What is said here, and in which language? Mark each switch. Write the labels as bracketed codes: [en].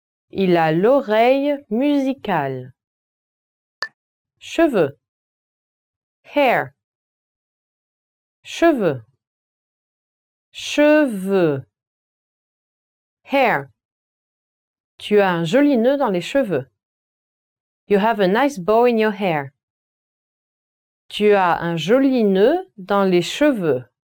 [fr] Il a l'oreille musicale. Cheveux. Hair. Cheveux. Cheveux. Hair. Tu as un joli nœud dans les cheveux. [en] You have a nice bow in your hair. [fr] Tu as un joli nœud dans les cheveux.